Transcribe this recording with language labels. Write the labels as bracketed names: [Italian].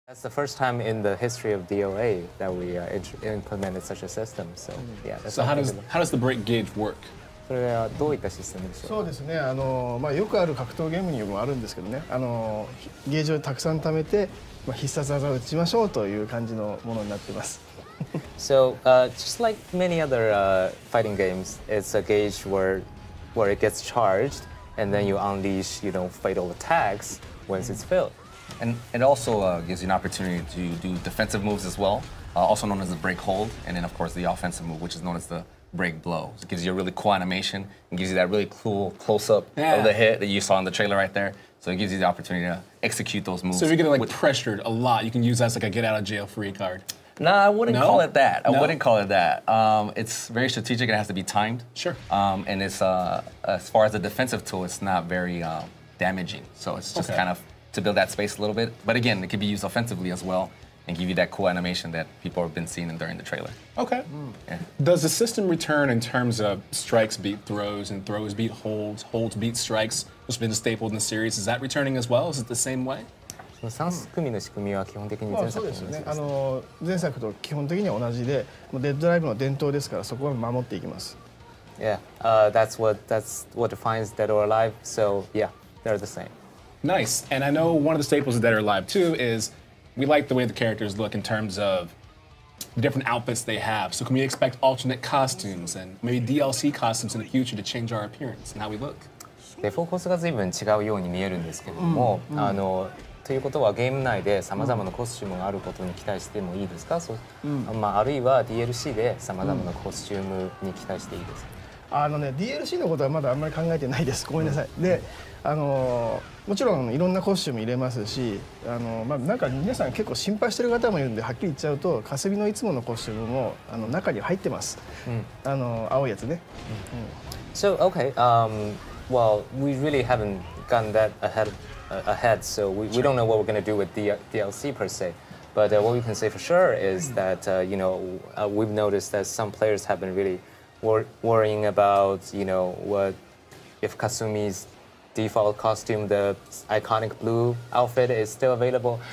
[English] That's the first time in the history of DOA that we implemented such a system. So, yeah, that's how does the break gauge work? [Japanese] それはどういったシステムでしょうか。そうですね、まあ、よくある格闘ゲームによくあるんですけどね、ゲージをたくさん貯めて、まあ、必殺技を打ちましょうという感じのものになっています。 [English] So, just like many other, fighting games, it's a gauge where it gets charged, and then you unleash, you know, fatal attacks once it's filled. And it also, gives you an opportunity to do defensive moves as well, also known as the break hold, and then of course the offensive move, which is known as theBreak blow. It gives you a really cool animation and gives you that really cool close up、yeah. of the hit that you saw in the trailer right there. So it gives you the opportunity to execute those moves. So if you're getting like pressured a lot, you can use that as like a get out of jail free card. Nah, I wouldn't call it that. I wouldn't call it that. It's very strategic. It has to be timed. Sure. And it's, as far as a defensive tool, it's not very, damaging. So it's just、okay. kind of to build that space a little bit. But again, it could be used offensively as well. And give you that cool animation that people have been seeing during the trailer. Okay.、Mm. Yeah. Does the system return in terms of strikes beat throws and throws beat holds, holds beat strikes, which has been a staple in the series? Is that returning as well? Is it the same way? [Japanese] その三組の仕組みは基本的に前作と同じです、ね。あの前作と基本的には同じで、もうデッドライブの伝統ですからそこは守っていきます。 [English] Yeah,、that's what defines Dead or Alive. So yeah, they're the same. Nice. And I know one of the staples of Dead or Alive too is. We like the way the characters look in terms of the different outfits they have. So can we expect alternate costumes and maybe DLC costumes in the future to change our appearance and how we look? [Japanese] デフォーコースが随分違うように見えるんですけども、mm-hmm. ということはゲーム内で様々なコスチュームがあることに期待してもいいですか、mm-hmm. まあ、あるいは DLC で様々なコスチュームに期待していいですか、あのね、DLC のことはまだあんまり考えてないです。ごめんなさい。Mm-hmm. で、もちろんいろんなコスチューム入れますし、まあ、なんか皆さん結構心配してる方もいるんではっきり言っちゃうとカスビのいつものコスチュームも中に入ってます、mm. 青いやつね、mm. [English] So okay, well we really haven't gotten that ahead so we don't know what we're going to do with DLC per se but what we can say for sure is that you know, we've noticed that some players have been really worrying about you know, what if Kasumi'sDefault costume, the iconic blue outfit is still available.